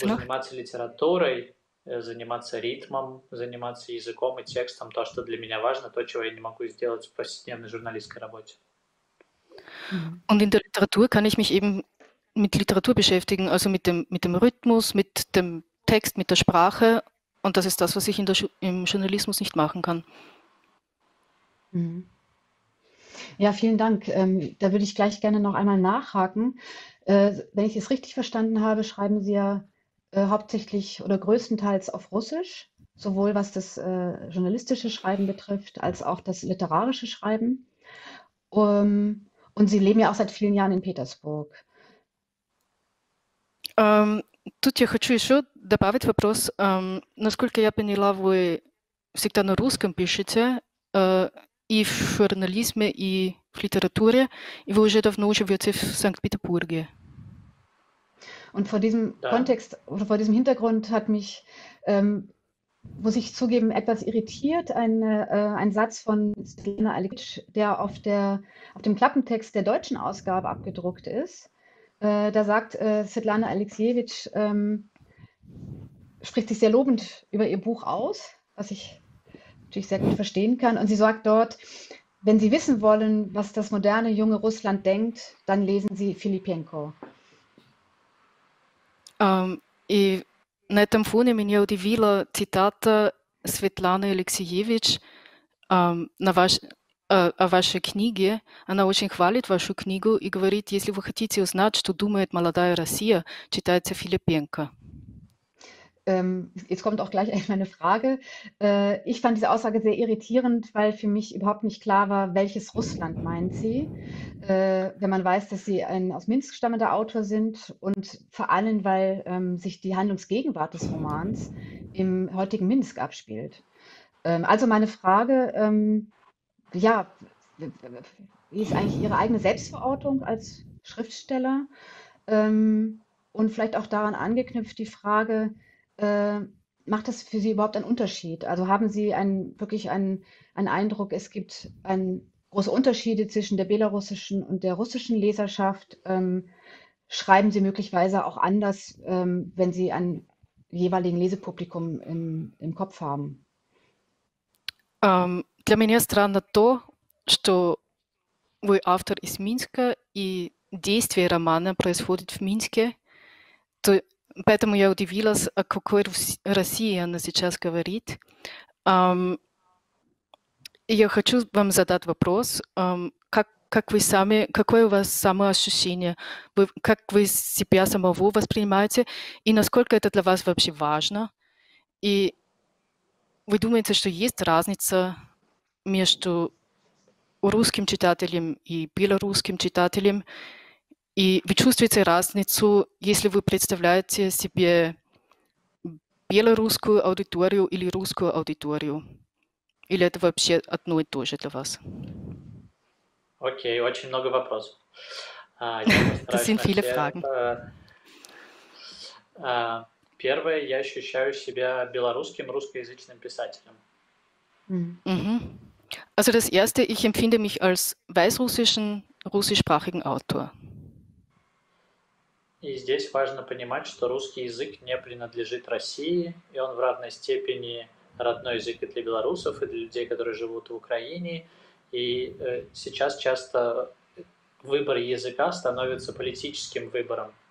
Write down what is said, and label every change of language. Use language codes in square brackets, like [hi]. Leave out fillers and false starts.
[ru] заниматься литературой, заниматься ритмом, заниматься языком и текстом, то, что для меня важно, то, чего я не могу сделать в повседневной журналистской работе. [de] Und in der Literatur kann ich mich eben mit Literatur beschäftigen, also mit dem Rhythmus, mit dem Text, mit der Sprache. Und das ist das, was ich im Journalismus nicht machen kann. Ja, vielen Dank. Da würde ich gleich gerne noch einmal nachhaken. Wenn ich es richtig verstanden habe, schreiben Sie ja hauptsächlich oder größtenteils auf Russisch, sowohl was das journalistische Schreiben betrifft, als auch das literarische Schreiben. Und Sie leben ja auch seit vielen Jahren in Petersburg. [ru] Тут я хочу еще добавить вопрос. Насколько я поняла, вы всегда на русском пишете, и в журнализме, и в литературе, и вы уже давно живете в Санкт-Петербурге. [de] Und vor diesem [ru] Да. [de] Kontext oder vor diesem Hintergrund hat mich, muss ich zugeben, etwas irritiert, ein Satz von Svetlana Aleksic, der auf dem Klappentext der deutschen Ausgabe abgedruckt ist. Da sagt Svetlana Aleksijevic, spricht sich sehr lobend über ihr Buch aus, was ich natürlich sehr gut verstehen kann. Und sie sagt dort, wenn Sie wissen wollen, was das moderne, junge Russland denkt, dann lesen Sie Filipenko. [ru] И на этом фоне меня удивила цитата Светланы Алексеевич о вашей книге. Она очень хвалит вашу книгу и говорит, если вы хотите узнать, что думает молодая Россия, читайте Филипенко. [de] Jetzt kommt auch gleich meine Frage. Ich fand diese Aussage sehr irritierend, weil für mich überhaupt nicht klar war, welches Russland meint sie, wenn man weiß, dass sie ein aus Minsk stammender Autor sind und vor allem, weil sich die Handlungsgegenwart des Romans im heutigen Minsk abspielt. Also meine Frage, ja, wie ist eigentlich Ihre eigene Selbstverortung als Schriftsteller? Und vielleicht auch daran angeknüpft die Frage, macht das für Sie überhaupt einen Unterschied? Also haben Sie einen Eindruck, es gibt große Unterschiede zwischen der belarussischen und der russischen Leserschaft? Schreiben Sie möglicherweise auch anders, wenn Sie ein jeweiligen Lesepublikum im Kopf haben? [ru] Для меня странно то, что вы автор из Минска и действие романа происходит в Минске. То Поэтому я удивилась, о какой России она сейчас говорит. Я хочу вам задать вопрос, как вы сами, какое у вас самоощущение, как вы себя самого воспринимаете, и насколько это для вас вообще важно? И вы думаете, что есть разница между русским читателем и белорусским читателем? И вы чувствуете разницу, если вы представляете себе белорусскую аудиторию или русскую аудиторию? Или это вообще одно и то же для вас? Окей, очень много вопросов. Это [de] sind viele Fragen. [ru] Первое, я ощущаю себя белорусским русскоязычным писателем. Mm-hmm. [de] Also das Erste, ich empfinde mich als weißrussischen, russischsprachigen Autor. [ru] И здесь важно понимать, что русский язык не принадлежит России, и он в равной степени родной язык и для белорусов, и для людей, которые живут в Украине. И сейчас часто выбор языка становится политическим выбором.